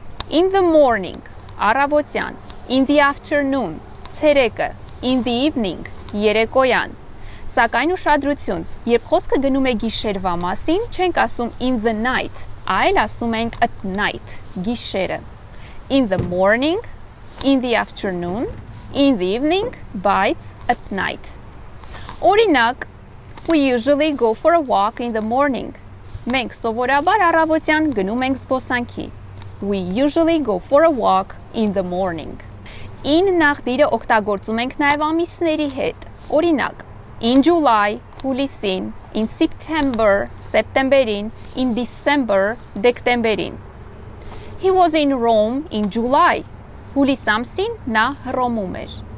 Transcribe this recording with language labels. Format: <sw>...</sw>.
<en>In the morning,</en> <hy>առավոտյան,</hy> <en>in the afternoon,</en> <hy>ցերեկը,</hy> <en>in the evening,</en> <hy>երեկոյան։ Սակայն ուշադրություն, երբ խոսքը գնում է գիշերվա մասին, չենք ասում</hy> <en>in the night,</en> <hy>այլ ասում ենք</hy> <en>at night,</en> <hy>գիշերը.</hy> <en>In the morning, in the afternoon, in the evening,</en> <hy>բայց</hy> <en>at night։</en> <hy>Օրինակ,</hy> <en>we usually go for a walk in the morning.</en> <hy>Մենք սովորաբար առավոտյան գնում ենք զբոսանքի.</hy> <en>We usually go for a walk in the morning.</en> <hy>In նախդիրը օգտագործում ենք նաև ամիսների հետ. Օրինակ,</hy> <en>in July,</en> <hy>հուլիսին,</hy> <en>in September,</en> <hy>սեպտեմբերին,</hy> <en>in December,</en> <hy>դեկտեմբերին.</hy> <en>He was in Rome in July.</en> <hy>Հուլիս ամսին նա Հռոմում էր.</hy>